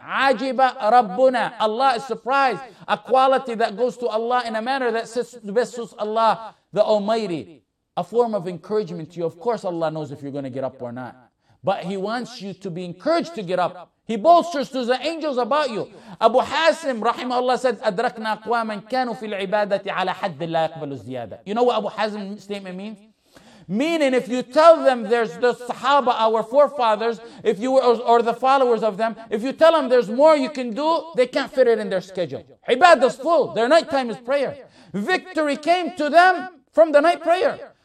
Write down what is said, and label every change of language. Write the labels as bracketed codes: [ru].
[ar] عجب ربنا. [en] Allah is surprised. A quality that goes to Allah in a manner that says, بسوس Allah, the Almighty. A form of encouragement to you. Of course, Allah knows if you're going to get up or not. But He wants you to be encouraged to get up. He bolsters to the angels about you. Abu Hasim, rahimahullah, said, [ar] أَدْرَكْنَا قُوَامًا كَانُوا فِي الْعِبَادَةِ عَلَى حَدٍّ لَا يَقْبَلُوا الزِّيَادَةِ. [en] You know what Abu Hasim's statement means? Meaning, if you tell them there's the Sahaba, our forefathers, if you were, or the followers of them, if you tell them there's more you can do, they can't fit it in their schedule. Ibadah's full. Their nighttime is prayer. Victory came to them from the night prayer.